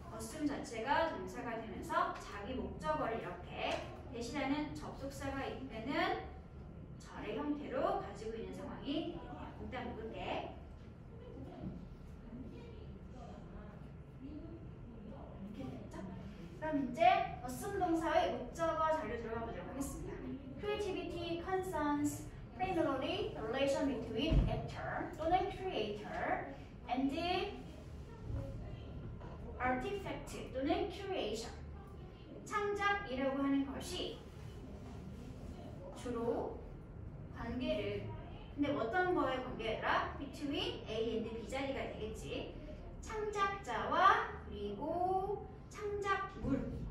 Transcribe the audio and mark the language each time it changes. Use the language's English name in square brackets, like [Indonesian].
[Korean] assume 자체가 동사가 되면서 자기 목적어를 이렇게 대신하는 접속사가 있는 절의 형태로 가지고 있는 상황이 됩니다. 문장 볼게. 그럼 이제 어순 동사의 목적어 자료 들어가 보도록 하겠습니다. [English] Creativity concerns primarily the relation between actor [Korean] 또는 [English] creator and artifact 또는 creation. 창작이라고 하는 것이 주로 관계를 근데 어떤 거의 관계라? Between A and B [Korean] 자리가 되겠지. 창작자와 그리고 창작물.